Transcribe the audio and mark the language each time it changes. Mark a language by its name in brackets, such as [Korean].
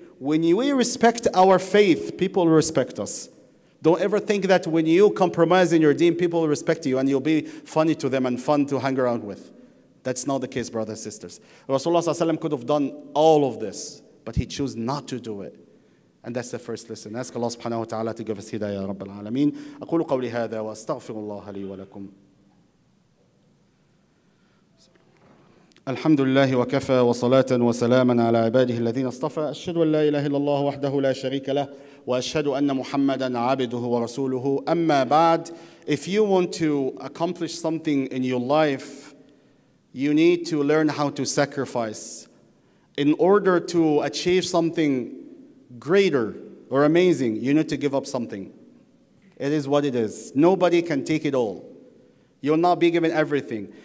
[English] When we respect our faith, people respect us. Don't ever think that when you compromise in your deen, people will respect you and you'll be funny to them and fun to hang around with. That's not the case, brothers and sisters. Rasulullah ﷺ could have done all of this, but he chose not to do it. And that's the first lesson. Ask Allah subhanahu wa ta'ala to give us hidayah, ya Rabbil Alameen. [Arabic] أقول قولي هذا واستغفر الله لي ولكم. الحمد لله وكفى وصلاة وسلاما على عباده الذين اصطفى. أشهد أن لا إله إلا الله وحده لا شريك له. وأشهد أن محمدًا عبده ورسوله أما بعد. [English] If you want to accomplish something in your life, you need to learn how to sacrifice. In order to achieve something greater or amazing, you need to give up something. It is what it is. Nobody can take it all. You will not be given everything.